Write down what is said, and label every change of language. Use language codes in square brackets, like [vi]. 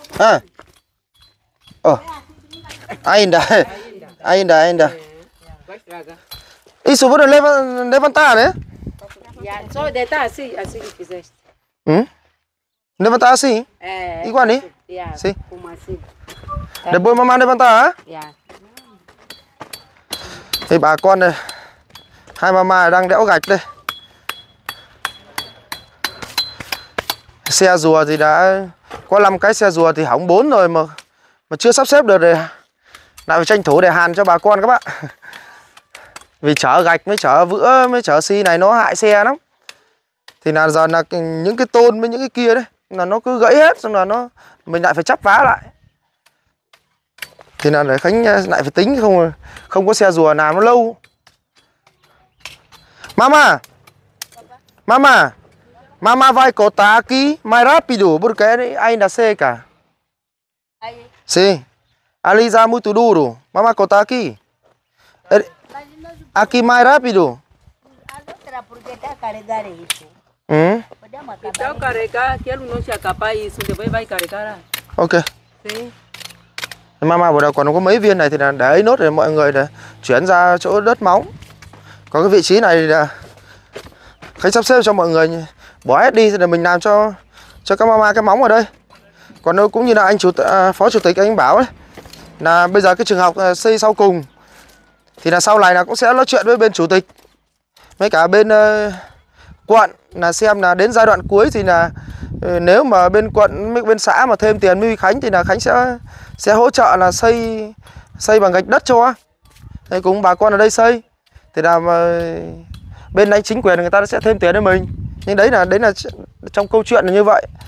[pt] Ah. Oh. Ainda. Ainda, ainda. Isso, pode levantar, né? Só deitar assim, assim que fizeste. Hum? Levantar assim? É. Igual, né? Sim. Como assim? Depois mamãe levantar, hein? [vi] Thì bà con này, hai mama đang đẽo gạch đây. Xe rùa thì đã có 5 cái xe rùa thì hỏng 4 rồi mà chưa sắp xếp được rồi. Lại phải tranh thủ để hàn cho bà con các bạn. Vì chở gạch mới chở vữa mới chở xi này nó hại xe lắm. Thì là giờ là những cái tôn với những cái kia đấy là nó cứ gãy hết xong là nó mình lại phải chắp vá lại. Thì là để Khánh lại phải tính không không có xe rùa nào nó lâu. [pt] Mama. Mama. Mama vai cortar aqui mais rápido porque ainda seca. Aí. Sim. Ali já muito duro. Mama cortar aqui. Aqui mais rápido. A outra porque tá carregar isso. Hum? Então carregar, quero não se acabar isso, depois vai carregar. Ok. Sim. [vi] Mama vừa đầu còn có mấy viên này thì là để ấy nốt để mọi người để chuyển ra chỗ đất móng. Có cái vị trí này thì là Khánh sắp xếp cho mọi người bỏ hết đi thì là mình làm cho các mama cái móng ở đây. Còn nó cũng như là anh chủ phó chủ tịch anh bảo ấy, là bây giờ cái trường học xây sau cùng thì là sau này là cũng sẽ nói chuyện với bên chủ tịch với cả bên quận là xem là đến giai đoạn cuối thì là nếu mà bên quận bên xã mà thêm tiền với Khánh thì là Khánh sẽ hỗ trợ là xây bằng gạch đất cho thì cũng bà con ở đây xây thì là bên lãnh chính quyền người ta sẽ thêm tiền cho mình, nhưng đấy là trong câu chuyện là như vậy.